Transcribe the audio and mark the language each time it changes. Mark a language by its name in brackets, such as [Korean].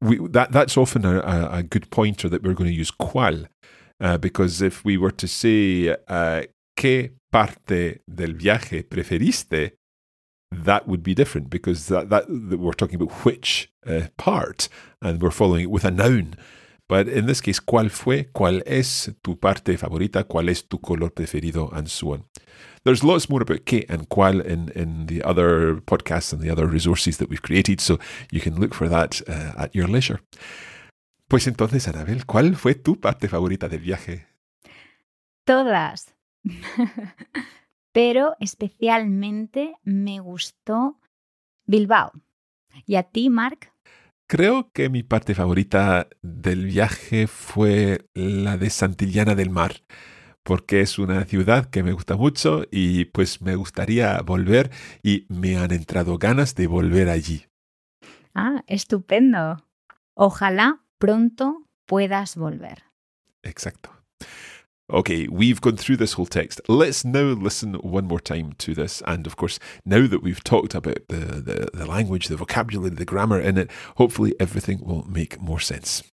[English] That's often a good pointer that we're going to use cuál, because if we were to say [Spanish] qué parte del viaje preferiste, [English] that would be different because that we're talking about which part and we're following it with a noun. But in this case, [Spanish] cuál fue, cuál es tu parte favorita, cuál es tu color preferido, [English] and so on. There's lots more about qué and cuál in the other podcasts and the other resources that we've created, so you can look for that at your leisure. [Spanish] Pues entonces, Anabel, ¿cuál fue tu parte favorita del viaje? Todas. Pero especialmente me gustó Bilbao. ¿Y a ti, Mark? Creo que mi parte favorita del viaje fue la de Santillana del Mar, porque es una ciudad que me gusta mucho y pues me gustaría volver y me han entrado ganas de volver allí. ¡Ah, estupendo! Ojalá pronto puedas volver. Exacto. [English] Okay, we've gone through this whole text. Let's now listen one more time to this. And of course, now that we've talked about the language, the vocabulary, the grammar in it, hopefully everything will make more sense.